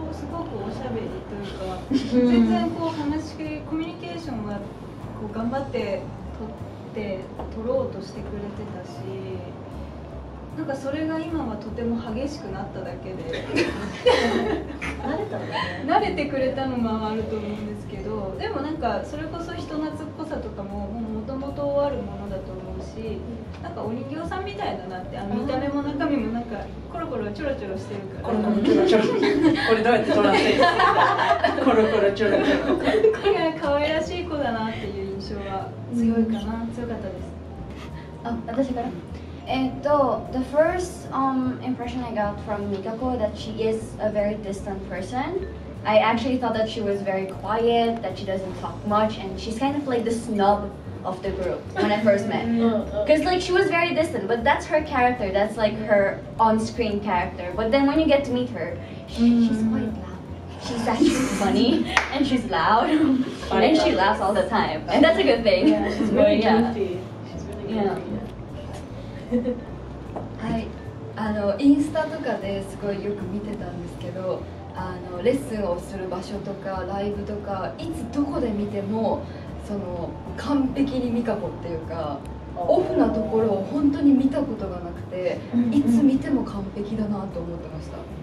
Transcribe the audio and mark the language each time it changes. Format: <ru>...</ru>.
<ja>すごくおしゃべりというか、全然こう話しコミュニケーションはこう頑張って取ろうとしてくれてたし、なんかそれが今はとても激しくなっただけで慣れてくれたのもあると思うんですけど、でもなんかそれこそ人懐っこさとかももともとあるものだと思うし、なんかお人形さんみたいだなって、あの見た目も中身もなんかコロコロチョロチョロしてるから、コロコロチョロチョロ、これどうやって撮らせていいですか、コロコロチョロチョロ、これが可愛らしい子だなっていう印象は強いかな、強かったです。あ、私から。</ja> <en>The first impression I got from Mikako that she is a very distant person. I actually thought that she was very quiet, that she doesn't talk much, and she's kind of like the snub of the group when I first met. Because like she was very distant, but that's her character, that's like her on-screen character. But then when you get to meet her, she's quite loud. She's actually funny, and she's loud, and then she laughs all the time. And that's a good thing. Yeah, she's really goofy. Yeah. She's really goofy. Yeah.</en> <ja>はい、あのインスタとかですごいよく見てたんですけど、あのレッスンをする場所とかライブとかいつどこで見てもその完璧にミカコっていうかオフなところを本当に見たことがなくていつ見ても完璧だなと思ってました。</ja>